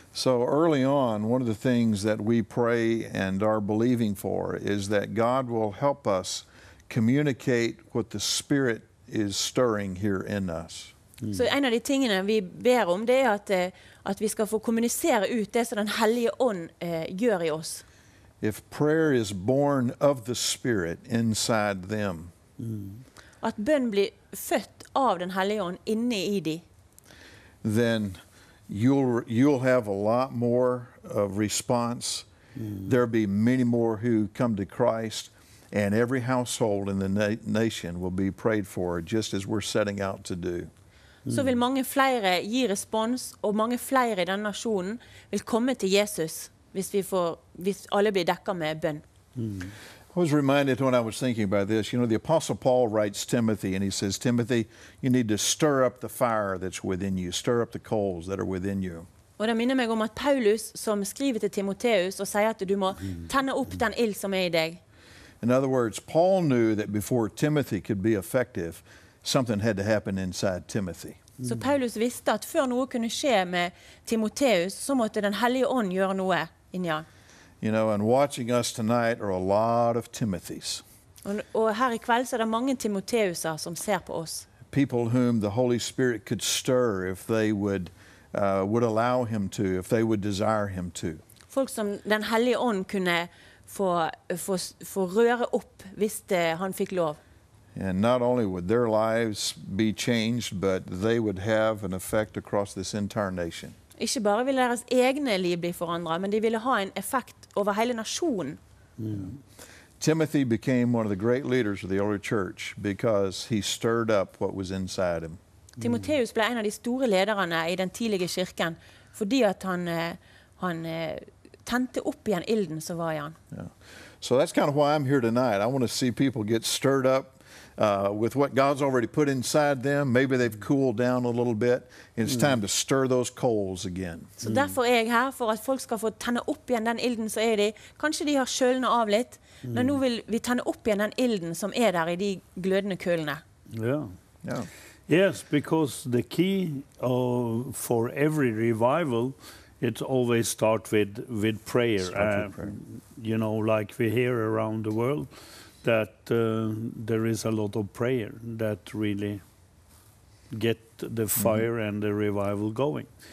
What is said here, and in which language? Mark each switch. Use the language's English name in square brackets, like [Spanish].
[English] So early on, one of the things that we pray and are believing for is that God will help us communicate what the Spirit is stirring here in us. [Norwegian] Mm-hmm. Så en av de tingene vi ber om, det at vi skal få kommunisere ut det som den hellige ånd gjør I oss. [English] If prayer is born of the Spirit inside them, [Norwegian] at bønn blir født av den hellige ånd inne I de, [English] then you'll have a lot more of response. Mm. There'll be many more who come to Christ, and every household in the nation will be prayed for, just as we're setting out to do. [Norwegian] Så vil mange flere gi respons, og mange flere I den nasjonen vil komme til Jesus. Hvis alle blir dekket med bønn. Mm. [English] I was reminded when I was thinking about this, you know, the Apostle Paul writes Timothy, and he says, Timothy, you need to stir up the fire that's within you, stir up the coals that are within you. [Norwegian] Og det minner meg om at Paulus, som skriver til Timoteus, og sier at du må tenne opp den ild som I deg. [English] In other words, Paul knew that before Timothy could be effective, something had to happen inside Timothy. [Norwegian] Så Paulus visste at før noe kunne skje med Timoteus, så måtte den hellige ånd gjøre noe inni han. [English] You know, and watching us tonight are a lot of Timothys. [Norwegian] Og her I kveld så det mange Timoteuser som ser på oss. [English] People whom the Holy Spirit could stir if they would allow him to, if they would desire him to. [Norwegian] Folk som den hellige ånd kunne få røre opp hvis han fikk lov. [English] And not only would their lives be changed, but they would have an effect across this entire nation. [Norwegian] Ikke bare ville deres egne liv bli forandret, men de ville ha en effekt over hele nasjonen. [English] Timothy became one of the great leaders of the early church because he stirred up what was inside him. [Norwegian] Timoteus ble en av de store lederne I den tidlige kirken fordi at han tente opp igjen ilden som var I han. [English] So that's kind of why I'm here tonight. I want to see people get stirred up with what God's already put inside them. Maybe they've cooled down a little bit. It's time to stir those coals again. [Norwegian] Så derfor jeg her, for at folk skal få tenne opp igjen den ilden som de. Kanskje de har kjølnet av litt, men nå vil vi tenne opp igjen den ilden som der I de glødende kulene. [English] Yeah. Yes, because the key for every revival, it always start with prayer. You know, like we hear around the world, that there is a lot of prayer that really get the fire and the revival going.